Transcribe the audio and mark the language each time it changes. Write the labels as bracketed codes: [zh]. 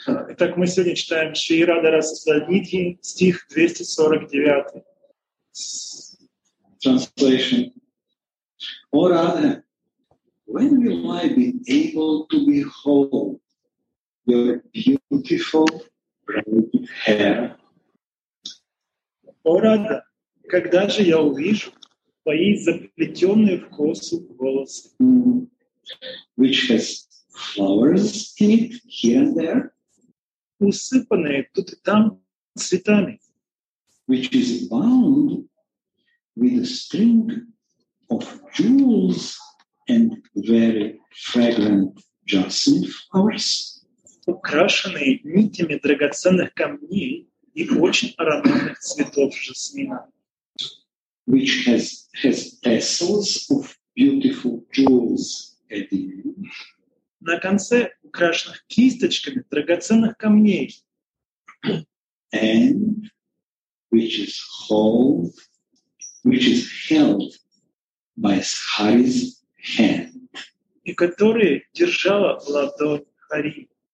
[ru] Итак, мы сегодня читаем Шри Радха Раса Сударнидхи, стих 249. [en] Translation. O Radha, when will I be able to behold your beautiful bright hair? [ru] О Радха, когда же я увижу твои заплетенные в косу волосы? [en] Which has flowers in it here and there? [ru] Усыпанные тут и там цветами. [en] Which is bound with a string of jewels and very fragrant jasmine flowers. [ru] Украшенные нитями драгоценных камней и очень ароматных цветов жасмина. [en] Which has tassels of beautiful jewels at the end. [ru] На конце украшенных кисточками драгоценных камней. [en] And which is held by Hari's hand. [ru] И которые держала ладонь Хари.